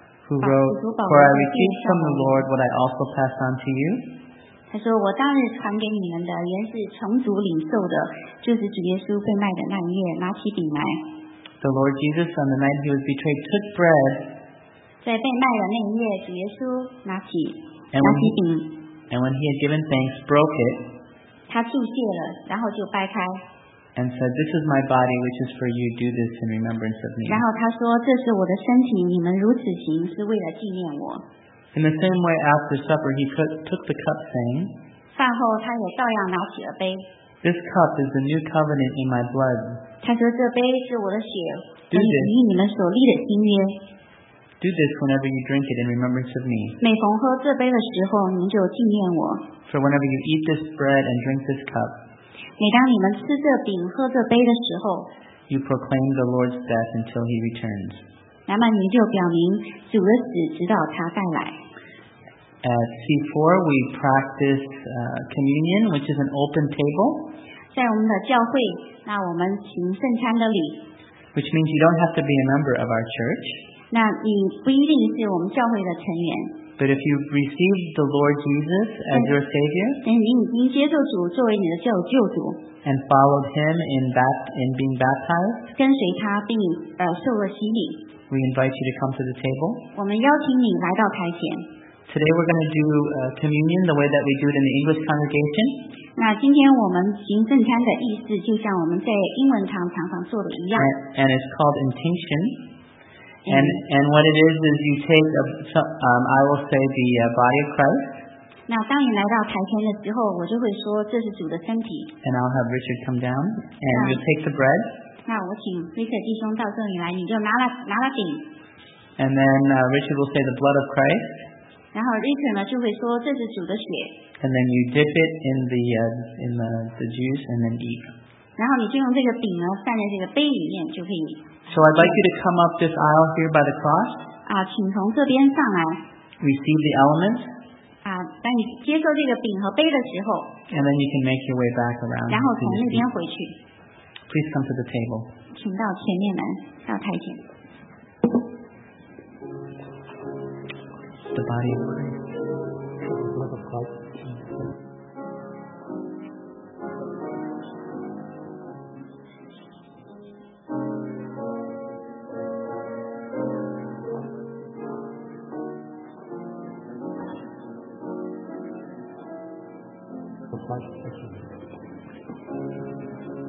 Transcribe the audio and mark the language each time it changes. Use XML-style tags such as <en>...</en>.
<en>Who wrote, For I received from the Lord what I also passed on to you.</en> <zh>他说我当日传给你们的原是从主领受的，就是主耶稣被卖的那一夜，拿起饼来。</zh> <en>The Lord Jesus, on the night he was betrayed, took bread.</en> <zh>在被卖的那一夜，主耶稣拿起饼。</zh> <en>And when he had given thanks, broke it.</en> <zh>他祝谢了，然后就掰开。</zh> <en>And said, "This is my body, which is for you. Do this in remembrance of me."</en> <zh>然后他说，这是我的身体，你们如此行是为了纪念我。</zh> <en>In the same way, after supper, he took the cup, saying,</en> <zh>饭后他也照样拿起了杯。</zh> <en>This cup is the new covenant in my blood.</en> <zh>他说这杯是我的血，与你们所立的新约。</zh> <en>Do this whenever you drink it in remembrance of me.</en> <zh>每逢喝这杯的时候，您就纪念我。</zh> <en>For whenever you eat this bread and drink this cup. You proclaim the Lord's death until he returns.</en> <zh>那么你就表明主的死直到他再来。</zh> <en>At C4, we practice communion, which is an open table.</en> <zh>在我们的教会，那我们行圣餐的礼。</zh> <en>Which means you don't have to be a member of our church.</en> <zh>那你不一定是我们教会的成员。</zh> <en>But if you receive the Lord Jesus as your Savior,</en> <zh>您接受主作为你的救主</zh> <en>and followed Him in being baptized,</en> <zh>跟随他并受了洗礼</zh> <en>we invite you to come to the table.</en> <zh>我们邀请你来到台前</zh> <en>Today we're going to do communion the way that we do it in the English congregation.</en> <zh>那今天我们行圣餐的意思就像我们在英文堂常常做的一样</zh> <en>and it's called intinction. And what it is you take I will say the body of Christ.</en> <zh>那当你来到台前的时候，我就会说这是主的身体。</zh> <en>And I'll have Richard come down, and you take the bread.</en> <zh>那我请 Richard 弟兄到这里来，你就拿了饼。</zh> <en>And then Richard will say the blood of Christ.</en> <zh>然后 Richard 呢就会说这是主的血。</zh> <en>And then you dip it in the juice and then eat.</en> <zh>然后你就用这个饼呢放在这个杯里面就可以。</zh> <en>So I'd like you to come up this aisle here by the cross.</en> <zh>请从这边上来。</zh> <en>Receive the elements.</en> <zh>当你接受这个饼和杯的时候。</zh> <en>And then you can make your way back around.</en> <zh>然后从那边回去。</zh> <en>Please come to the table.</en> <zh>请到前面来，到台前。</zh> <en>The body of Christ.</en>